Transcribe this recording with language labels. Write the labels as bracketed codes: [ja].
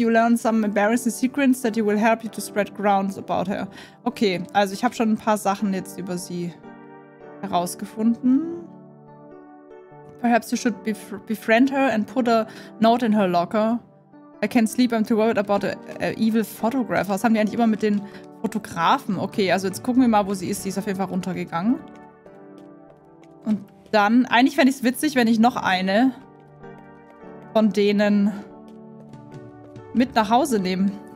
[en] You learn some embarrassing secrets that you will help you to spread grounds about her. [de] Okay, also ich habe schon ein paar Sachen jetzt über sie herausgefunden. [en] Perhaps you should befriend her and put a note in her locker. I can't sleep, I'm too worried about an evil photographer. [de] Was haben die eigentlich immer mit den Fotografen? Okay, also jetzt gucken wir mal, wo sie ist. Sie ist auf jeden Fall runtergegangen. Und dann, eigentlich fände ich es witzig, wenn ich noch eine von denen mit nach Hause nehme.